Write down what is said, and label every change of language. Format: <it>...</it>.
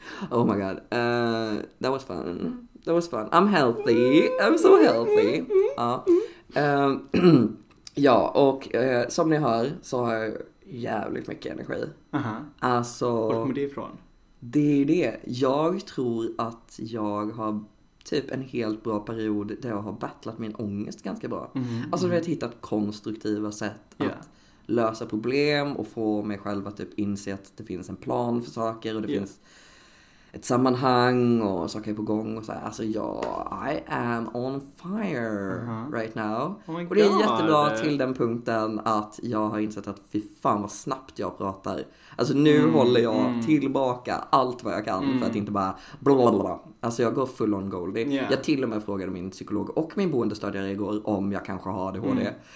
<en>Oh my god, that was fun, that was fun. I'm healthy, I'm so healthy.</en> <sv>Ja, ja, och som ni hör så har jag jävligt mycket energi. Alltså, var kommer det ifrån? Det är det. Jag tror att jag har typ en helt bra period där jag har battlat min ångest ganska bra. Alltså jag har hittat konstruktiva sätt att lösa problem och få mig själv att typ inse att det finns en plan för saker och det finns ett sammanhang och saker är på gång och så här.</sv> <en>Alltså jag, I am on fire right now. Oh,</en> <sv>och det är jättebra till den punkten att jag har insett att fy fan vad snabbt jag pratar. Alltså nu håller jag tillbaka allt vad jag kan för att inte bara blablabla. Alltså jag går full on goldie. Jag till och med frågade min psykolog och min boendestödjare igår om jag kanske har ADHD.</sv>